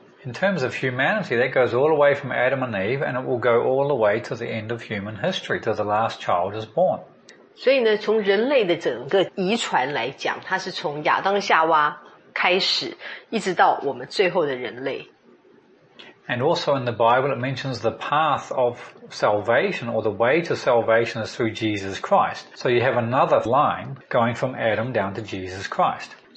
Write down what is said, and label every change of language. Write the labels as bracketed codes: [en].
[en] In terms of humanity, that goes all the way from Adam and Eve and it will go all the way to the end of human history, to the last child is born. [zh] 所以呢，从人类的整个遗传来讲，它是从亚当夏娃开始，一直到我们最后的人类。 [en] And also in the Bible, it mentions the path of salvation or the way to salvation is through Jesus Christ. So you have another line going from Adam down to Jesus Christ.